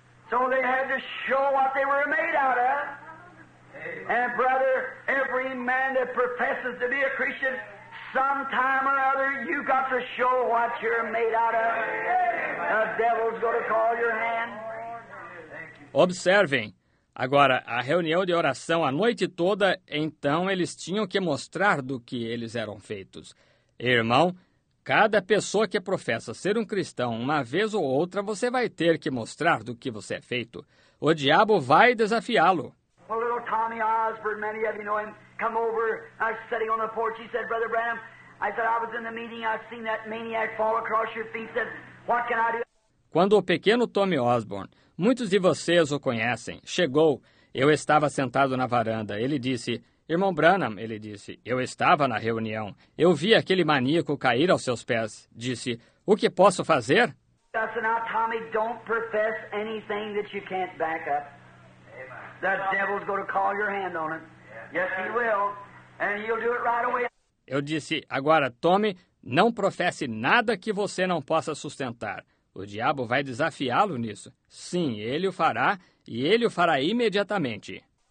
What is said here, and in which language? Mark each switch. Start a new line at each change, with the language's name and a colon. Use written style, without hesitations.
English: So they had to show what they were made out of. And brother, every man that professes to be a Christian, sometime or other, you got to show what you're made out of. The devil's going to call your hand.
Portuguese: Observem. Agora, a reunião de oração a noite toda, então eles tinham que mostrar do que eles eram feitos. Irmão, cada pessoa que professa ser um cristão, uma vez ou outra, você vai ter que mostrar do que você é feito. O diabo vai desafiá-lo.
English: Well, little Tommy Osborne, many of you know him, come over, I was sitting on the porch, he said, Brother Branham, I said, I was in the meeting, I seen that maniac fall across your feet, he said, what can I do?
Portuguese: Quando o pequeno Tommy Osborne, muitos de vocês o conhecem, chegou, eu estava sentado na varanda, ele disse, Irmão Branham, ele disse, eu estava na reunião. Eu vi aquele maníaco cair aos seus pés. Disse, o que posso fazer?
English: Now, Tommy, don't profess anything that you can't back up. The devil's going to call your hand on it. Yes, he will. And he'll do it right away.
Portuguese: Eu disse, agora, Tommy, não professe nada que você não possa sustentar. O diabo vai desafiá-lo nisso. Sim, ele o fará, e ele o fará imediatamente.